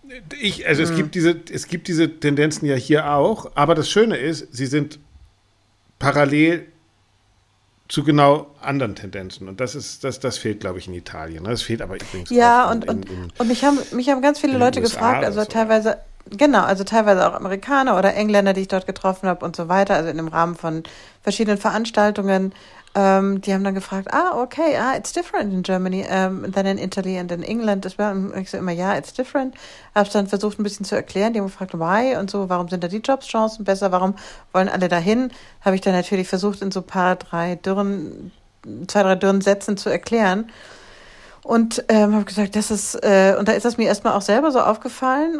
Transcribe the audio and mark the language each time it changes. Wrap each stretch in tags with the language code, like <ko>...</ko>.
<de>Es gibt diese Tendenzen ja hier auch, aber das Schöne ist, sie sind parallel zu genau anderen Tendenzen. Und das fehlt, glaube ich, in Italien. Das fehlt aber übrigens ja, auch und mich haben ganz viele Leute gefragt, also teilweise, oder? Genau, also teilweise auch Amerikaner oder Engländer, die ich dort getroffen habe und so weiter, also in dem Rahmen von verschiedenen Veranstaltungen. Die haben dann gefragt,</de> <en>it's different in Germany than in Italy and in England.</en> <de>Das war ich so immer, ja,</de> <en>it's different.</en> <de>Hab's dann versucht, ein bisschen zu erklären. Die haben gefragt, why und so, warum sind da die Jobschancen besser, warum wollen alle dahin? Habe ich dann natürlich versucht, in so zwei, drei dürren Sätzen zu erklären. Und habe gesagt, das ist, und da ist das mir erstmal auch selber so aufgefallen.</de>